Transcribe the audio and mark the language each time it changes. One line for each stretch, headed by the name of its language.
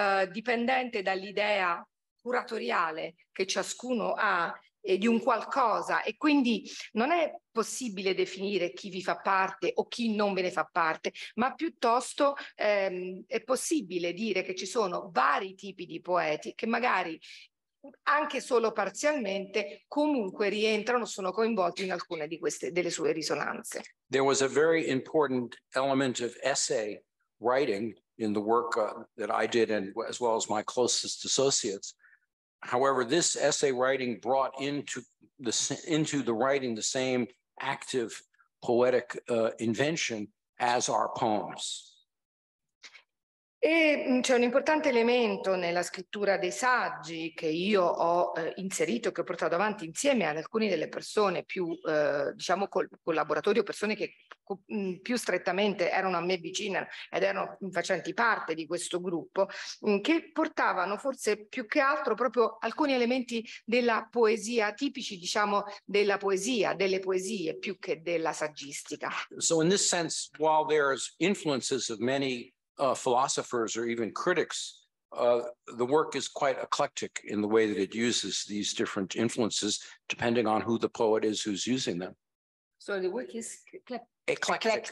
Italian: dipendente dall'idea curatoriale che ciascuno ha di un qualcosa, e quindi non è possibile definire chi vi fa parte o chi non ve ne fa parte, ma piuttosto è possibile dire che ci sono vari tipi di poeti che magari anche solo parzialmente comunque rientrano, sono coinvolti in alcune di queste delle sue risonanze.
English: There was a very important element of essay writing in the work that I did, and as well as my closest associates. However, this essay writing brought into the writing the same active poetic invention as our poems.
Italian: E c'è un importante elemento nella scrittura dei saggi che io ho inserito, che ho portato avanti insieme ad alcune delle persone più, diciamo, collaboratori o persone che più strettamente erano a me vicine ed erano facenti parte di questo gruppo, che portavano forse più che altro proprio alcuni elementi della poesia, tipici, diciamo, della poesia, delle poesie, più che della saggistica.
English: So in this sense, while there's influences of many philosophers or even critics, the work is quite eclectic in the way that it uses these different influences, depending on who the poet is who's using them. So the work is eclectic.